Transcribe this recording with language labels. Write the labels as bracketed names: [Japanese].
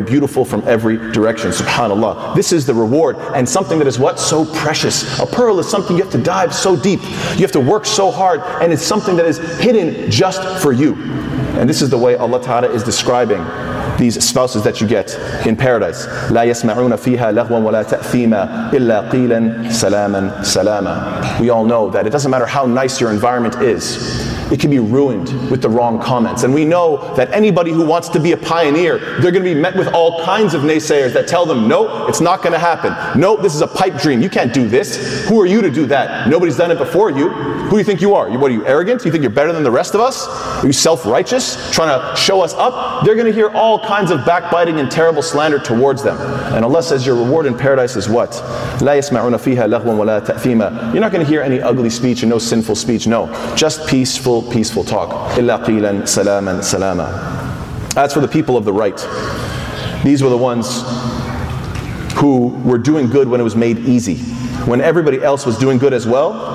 [English] Beautiful from every direction. SubhanAllah. This is the reward. And something that is what? So precious. A pearl is something you have to dive so deep. You have to work so hard, and it's something that is hidden just for you. And this is the way Allah Ta'ala is describing these spouses that you get in paradise. [Arabic] لا يسمعون فيها لغوا ولا تأثيما إلا قيلا سلاما سلاما. [English] We all know that it doesn't matter how nice your environment is, it can be ruined with the wrong comments. And we know that anybody who wants to be a pioneer, they're going to be met with all kinds of naysayers that tell them, no, it's not going to happen. No, this is a pipe dream. You can't do this. Who are you to do that? Nobody's done it before you. Who do you think you are? What are you, arrogant? You think you're better than the rest of us? Are you self-righteous, trying to show us up? They're going to hear all kinds of backbiting and terrible slander towards them. And Allah says your reward in paradise is what? [Arabic] لا يسمعون فيها لغوا ولا تأثيما. [English] You're not going to hear any ugly speech and no sinful speech. No, just peace. Peaceful talk. [Arabic] إِلَّا قِيلًا سَلَامًا سَلَامًا. [English] As for the people of the right, these were the ones who were doing good when it was made easy, when everybody else was doing good as well.